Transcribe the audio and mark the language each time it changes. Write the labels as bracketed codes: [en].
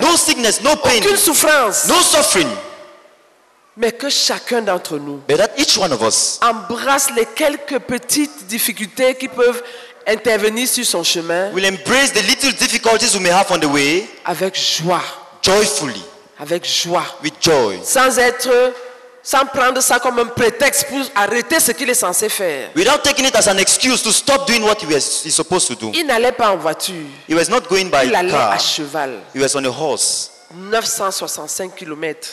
[en] No sickness, no pain. [fr] Aucune souffrance. [en] No suffering. [fr] Mais que chacun d'entre nous, [en] but that each one of us, [fr] embrasse les quelques petites difficultés qui peuvent intervenir sur son chemin, [en] will embrace the little difficulties we may have on the way, [fr] avec joie, [en] joyfully, [fr] avec joie, [en] with joy, [fr] sans prendre ça comme un prétexte pour arrêter ce qu'il est censé faire, [en] without taking it as an excuse to stop doing what he's supposed to do. [fr] Il n'allait pas en voiture. [en] He was not going by car. [fr] Il allait [en] car. [fr] À cheval. [en] He was on a horse. [fr] 965 kilomètres.